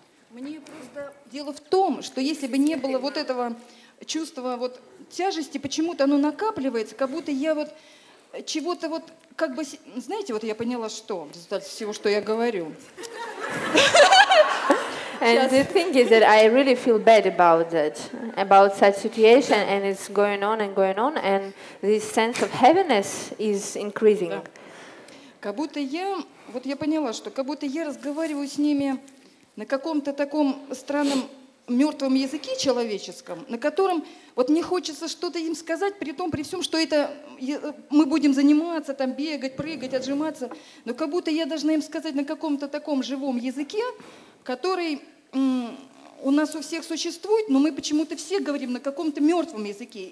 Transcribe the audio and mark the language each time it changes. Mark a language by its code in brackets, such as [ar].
[ru] Мне просто дело в том, что если бы не было вот этого чувства вот тяжести, почему-то оно накапливается, как будто я вот чего-то вот как бы, знаете, вот я поняла, что в результате всего, что я говорю. [en] And the thing is that I really feel bad about that, about such situation, and it's going on and going on, and this sense of heaviness is increasing. [ru] Как будто я, вот я поняла, что как будто я разговариваю с ними на каком-то таком странном мертвом языке человеческом, на котором вот мне хочется что-то им сказать, при том, при всем, что это мы будем заниматься, там бегать, прыгать, отжиматься, но как будто я должна им сказать на каком-то таком живом языке, который у нас у всех существует, но мы почему-то все говорим на каком-то мертвом языке.